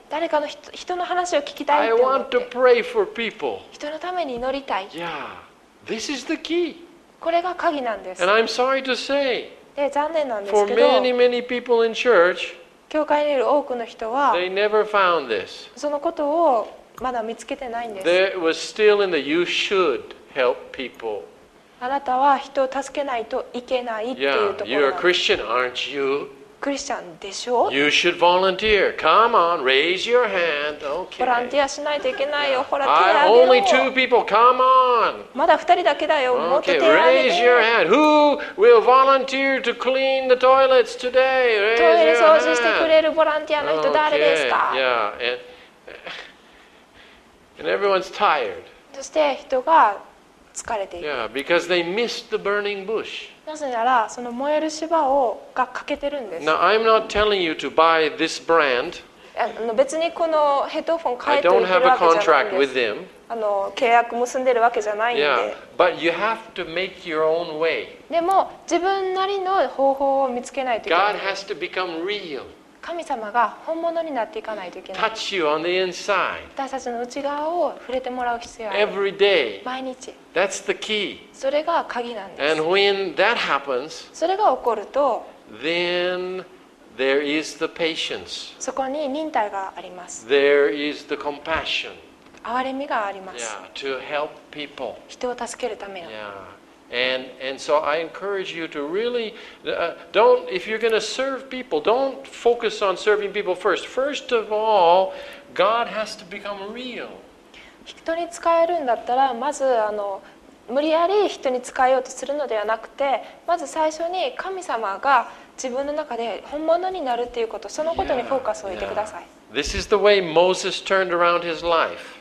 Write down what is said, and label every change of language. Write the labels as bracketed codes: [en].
[ja] 誰かの人の話を聞きたいって思って。 [en] I want to pray for people. [ja] 人のために祈りたい。 [en] Yeah, this is the key. [ja] これが鍵なんです。 [en] And I'm sorry to say. [ja] で残念なんですけど [en] For many, many people in church, [ja] 教会にいる多くの人は [en] they never found this. [ja] そのことをまだ見つけてないんです。 [en] There was still in the you should help people. [ja] あなたは人を助けないといけないっていうところなんです。 [en] Yeah, you're a Christian, aren't you? [ja] クリスチャンでしょ? [en] You should volunteer. Come on, raise your hand. Okay. [ja] ボランティアしないといけないよ。ほら、手挙げよう。 [en] Only two people. Come on. [ja] まだ二人だけだよ。 [en] Okay. [ja] もっと手挙げて。 [en] Raise your hand. Who will volunteer to clean the toilets today? Raise your hand. [ja] トイレ掃除してくれるボランティアの人誰ですか? [en] Okay. Yeah. And everyone's tired. [ja] そして人が疲れている。 [en] Yeah, because they missed the burning bush. [ja] なぜならその燃える芝をが欠けてるんです。 [en] Now, I'm not telling you to buy this brand. [ja] 別にこのヘッドフォン買えてるわけじゃないんです。契約結んでるわけじゃないんで。 [en] Yeah, but you have to make your own way. [ja] でも自分なりの方法を見つけないといけない。 [en] God has to become real. [ja] 神様が本物になっていかないといけない。 [en] Touch you on the inside. [ja] 私たちの内側を触れてもらう必要がある。 [en] Every day. [ja] 毎日。 [en] That's the key. [ja] それが鍵なんです。 [en] And when that happens, [ja] それが起こると、 [en] then there is the patience. [ja] そこに忍耐があります。 [en] There is the compassion. [ja] 憐れみがあります。 [en] Yeah, to help people. [ja] 人を助けるための。 [en] Yeah. And so I encourage you to really, if you're going to serve people, don't focus on serving people first. First of all, God has to become real. [ja] 人に使えるんだったらまず無理やり人に使えようとするのではなくて、まず最初に神様が自分の中で本物になるということ、そのことにフォーカスを置いてください。 [en] Yeah, yeah. This is the way Moses turned around his life.